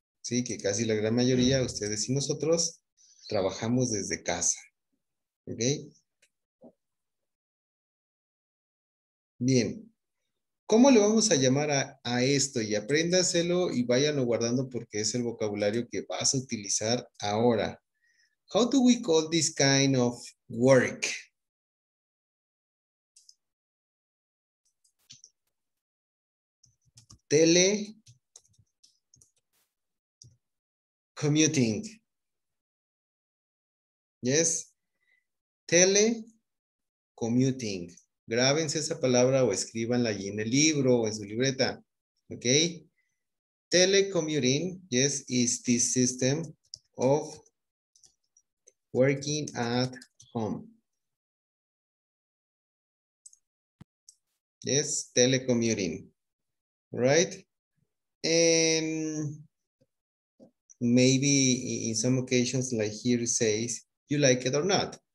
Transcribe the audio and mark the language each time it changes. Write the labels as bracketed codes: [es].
[es] Sí, que casi la gran mayoría, ustedes y nosotros, trabajamos desde casa. ¿Ok? Bien. ¿Cómo le vamos a llamar a esto? Y apréndaselo y váyanlo guardando porque es el vocabulario que vas a utilizar ahora. [en] How do we call this kind of work? Telecommuting. Yes. Telecommuting. [es] Grábense esa palabra o escríbanla allí en el libro o en su libreta. Ok. [en] Telecommuting, yes, is this system of working at home. Yes, telecommuting. Right? And maybe in some occasions, like here says, you like it or not.